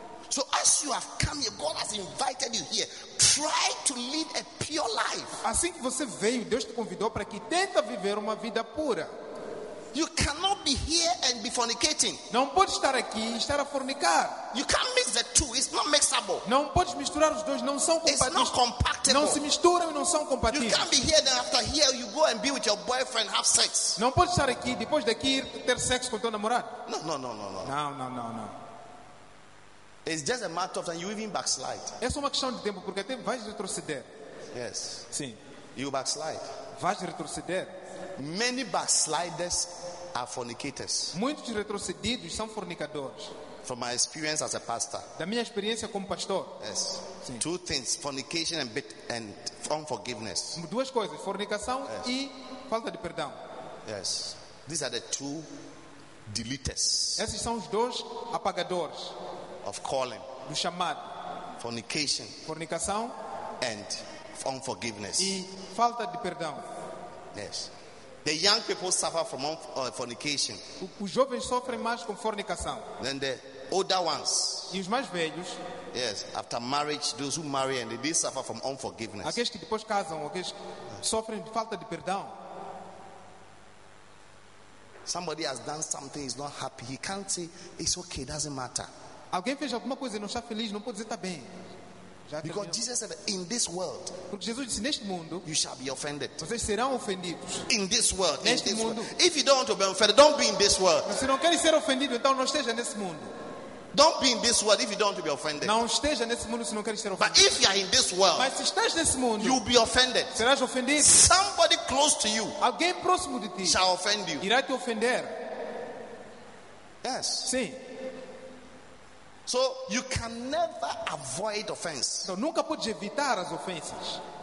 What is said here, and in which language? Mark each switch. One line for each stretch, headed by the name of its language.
English: So as you have come here, God has invited you here. Try to live a pure life.
Portuguese: Assim que você veio, Deus te convidou para que tenta viver uma vida pura.
English: You cannot be here and be fornicating.
Portuguese: Não pode estar aqui e estar a fornicar.
English: You can't mix the two. It's not mixable.
Portuguese: Não pode misturar os dois. Não são compatíveis.
English: It's not compatible.
Portuguese: Não se misturam e não são compatíveis.
English: You can't be here then after here you go and be with your boyfriend have sex.
Portuguese: Não pode estar aqui depois daqui ir ter sexo com teu namorado.
English: No, no, no, no, no. No, no, no, no. It's just a matter of time. You even backslide.
Portuguese: É só uma questão de tempo porque até vais retroceder.
English: Yes.
Portuguese: Sim.
English: You backslide.
Portuguese: Vais retroceder.
English: Many backsliders are fornicators.
Portuguese: Muitos retrocedidos são fornicadores.
English: From my experience as a pastor.
Portuguese: Da minha experiência como pastor.
English: Yes.
Portuguese: Sim.
English: Two things: fornication and unforgiveness.
Portuguese: Duas coisas: fornicação e falta de perdão.
English: Yes. These are the two deleters.
Portuguese: Esses são os dois apagadores.
English: Of calling.
Portuguese: Do chamado.
English: Fornication.
Portuguese: Fornicação.
English: And unforgiveness.
Portuguese: E falta de perdão.
English: Yes. The young people suffer from fornication.
Portuguese: Os jovens sofrem mais com fornicação.
English: Then the older ones.
Portuguese: E os mais velhos.
English: Yes. After marriage, those who marry and they suffer from unforgiveness.
Portuguese: Aqueles que depois casam, aqueles que sofrem de falta de perdão.
English: Somebody has done something, is not happy. He can't say it's okay, doesn't matter.
Portuguese: Alguém fez alguma coisa e não está feliz, não pode dizer está bem.
English: Because Jesus said, in this world,
Portuguese: porque Jesus disse neste mundo,
English: you shall be offended.
Portuguese: Vocês serão ofendidos.
English: In this world,
Portuguese: neste
English: in this
Portuguese: mundo,
English: world. If you don't want to be offended, don't be in this world.
Portuguese: Se não quer ser ofendido, então não esteja neste mundo.
English: Don't be in this world if you don't want to be offended.
Portuguese: Não esteja neste mundo se não quer ser ofendido.
English: But if you are in this world,
Portuguese: mas se estás neste mundo,
English: you'll be offended.
Portuguese: Serás ofendido.
English: Somebody close to you,
Portuguese: alguém próximo de ti,
English: shall offend you.
Portuguese: Irá te ofender.
English: Yes.
Portuguese: Sim.
English: So you can never avoid offense.
Portuguese: Então nunca pode evitar as ofensas.